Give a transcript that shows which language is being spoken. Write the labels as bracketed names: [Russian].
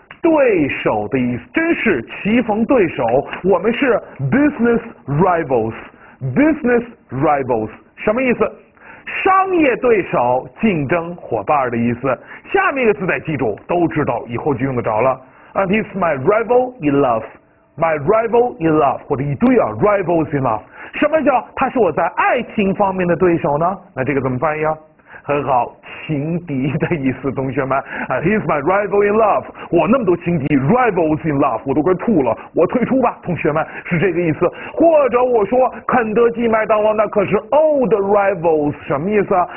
[Chinese] 对手的意思，真是棋逢对手，我们是 [English] business rivals，business rivals， [Chinese] 什么意思？商业对手，竞争伙伴的意思。下面一个词得记住，都知道以后就用得着了。 [English] And he's my rival in love， my rival in love， [Chinese] 或者一堆啊 [English] rivals in love。 [Chinese] 什么叫他是我在爱情方面的对手呢？那这个怎么翻译啊？很好，情敌的意思，同学们。 [English] He's my rival in love， [Chinese] 我那么多情敌 [English] rivals in love， [Chinese] 我都快吐了，我退出吧，同学们，是这个意思。或者我说肯德基麦当劳那可是 [English] old rivals， [Chinese] 什么意思啊？